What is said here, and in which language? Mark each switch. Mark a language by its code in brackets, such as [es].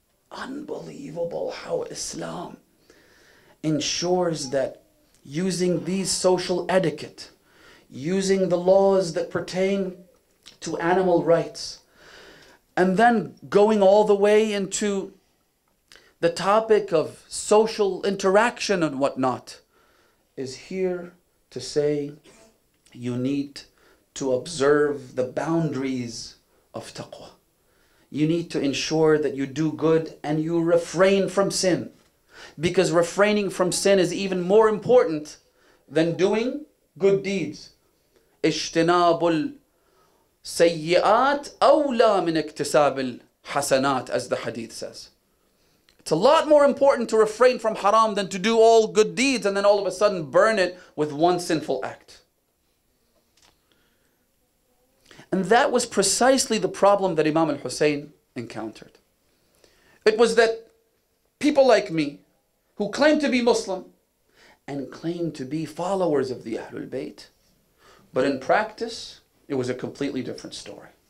[en] Unbelievable how Islam ensures that using these social etiquette, using the laws that pertain to animal rights, and then going all the way into the topic of social interaction and whatnot, is here to say you need to observe the boundaries of taqwa. You need to ensure that you do good and you refrain from sin. Because refraining from sin is even more important than doing good deeds. [ar] اجتنابُ السيئات أولى من اكتساب الحسنات, [en] as the hadith says. It's a lot more important to refrain from haram than to do all good deeds and then all of a sudden burn it with one sinful act. And that was precisely the problem that Imam al-Hussein encountered. It was that people like me, who claim to be Muslim and claim to be followers of the Ahlul Bayt, but in practice, it was a completely different story.